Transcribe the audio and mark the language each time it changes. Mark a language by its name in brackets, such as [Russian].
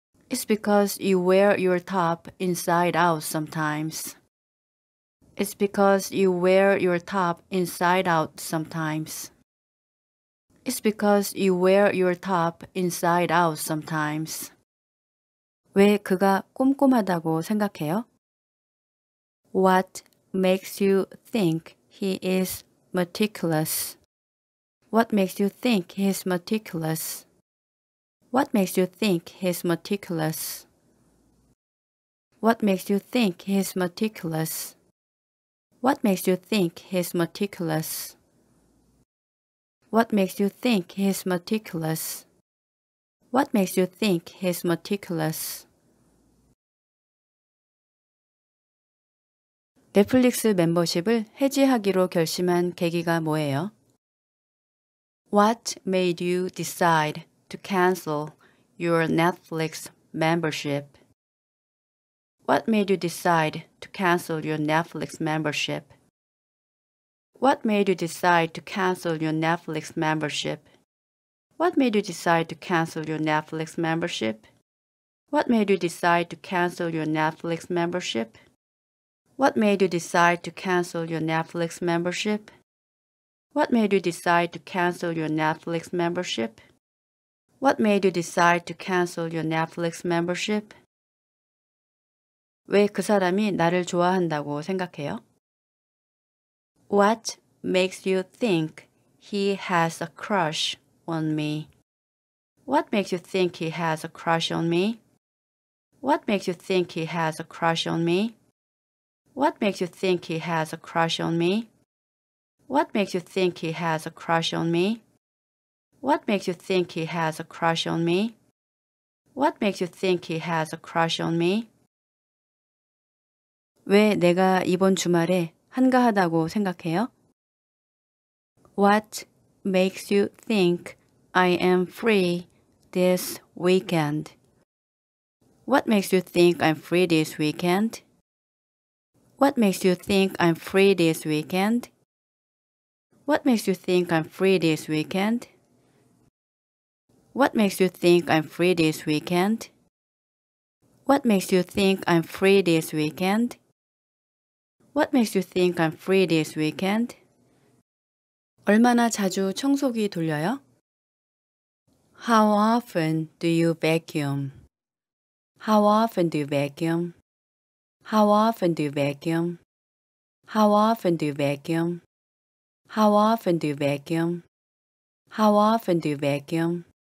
[English] It's because you wear your top inside out sometimes. It's because you wear your top inside out sometimes. It's because you wear your top inside out sometimes. [Korean] 왜 그가 꼼꼼하다고 생각해요? [English] What makes you think he is meticulous? What makes you think he is meticulous? What makes you think he is meticulous? What makes you think he is meticulous? What makes you think he is meticulous? What makes you think he is meticulous? What makes you think he is meticulous? [Korean] 넷플릭스 멤버십을 해지하기로 결심한 계기가 뭐예요? [English] What made you decide to cancel your Netflix membership? What made you decide to cancel your Netflix membership? What made you decide to cancel your Netflix membership? What made you decide to cancel your Netflix membership? What made you decide to cancel your Netflix membership? What made you decide to cancel your Netflix membership? What made you decide to cancel your Netflix membership? What made you decide to cancel your Netflix membership? [Korean] 왜 그 사람이 나를 좋아한다고 생각해요? [English] What makes you think he has a crush on me? What makes you think he has a crush on me? What makes you think he has a crush on me? What makes you think he has a crush on me? What makes you think he has a crush on me? What makes you think he has a crush on me? What makes you think he has a crush on me? [Korean] 왜 내가 이번 주말에 한가하다고 생각해요? [English] What makes you think I am free this weekend? What makes you think I'm free this weekend? What makes you think I'm free this weekend? What makes you think I'm free this weekend? What makes you think I'm free this weekend? What makes you think I'm free this weekend? What makes you think I'm free this weekend? What makes you think I'm free this weekend? [Korean] 얼마나 자주 청소기 돌려요? [English] How often do you vacuum? How often do you vacuum? How often do you vacuum? How often do you vacuum? How often do you vacuum? How often do you vacuum?